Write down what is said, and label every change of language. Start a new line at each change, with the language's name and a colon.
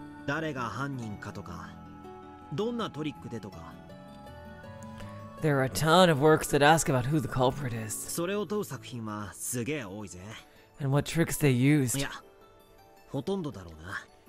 Japanese: 誰が犯人かとか、どんなトリックでとか
English: There are a ton of works that ask about who the culprit is.
Japanese: それを問う作品はすげえ多いぜ
English: And what tricks they used.
Japanese: いや、ほとんどだろうな